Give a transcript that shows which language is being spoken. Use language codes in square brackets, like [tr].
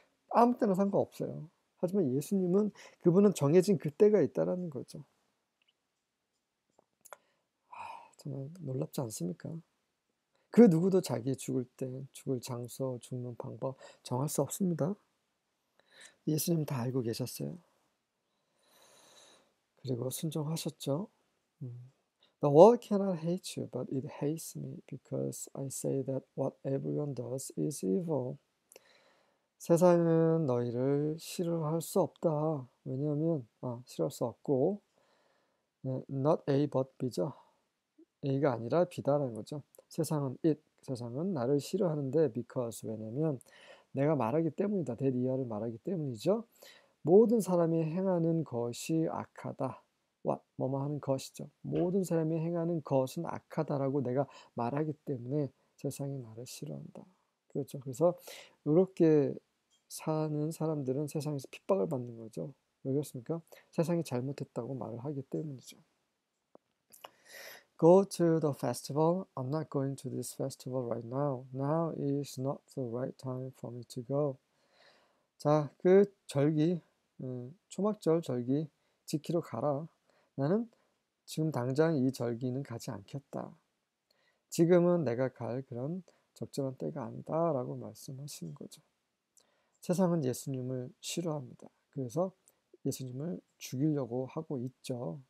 [ko] 아무 때나 상관없어요. 하지만 예수님은 그분은 정해진 그때가 있다라는 거죠. 정말 놀랍지 않습니까? 그 누구도 자기 죽을 때, 죽을 장소, 죽는 방법 정할 수 없습니다. 예수님 다 알고 계셨어요. 그리고 순종하셨죠. [en] The world cannot hate you, but it hates me because I say that what everyone does is evil. [ko] 세상은 너희를 싫어할 수 없다. 왜냐하면 싫어할 수 없고, [en] not a but b [ko] 죠. a가 아니라 b다라는 거죠. 세상은 it, 세상은 나를 싫어하는데 because 왜냐면 내가 말하기 때문이다. 대리아를 말하기 때문이죠. 모든 사람이 행하는 것이 악하다. 뭐뭐 하는 것이죠. 모든 사람이 행하는 것은 악하다라고 내가 말하기 때문에 세상이 나를 싫어한다. 그렇죠. 그래서 이렇게 사는 사람들은 세상에서 핍박을 받는 거죠. 왜 그렇습니까? 세상이 잘못했다고 말을 하기 때문이죠. [en] Go to the festival. I'm not going to this festival right now. Now is not the right time for me to go. [ko] 자, 그 절기, 초막절 절기 지키러 가라. 나는 지금 당장 이 절기는 가지 않겠다. 지금은 내가 갈 그런 적절한 때가 아니다라고 말씀하시는 거죠. 세상은 예수님을 싫어합니다. 그래서 예수님을 죽이려고 하고 있죠.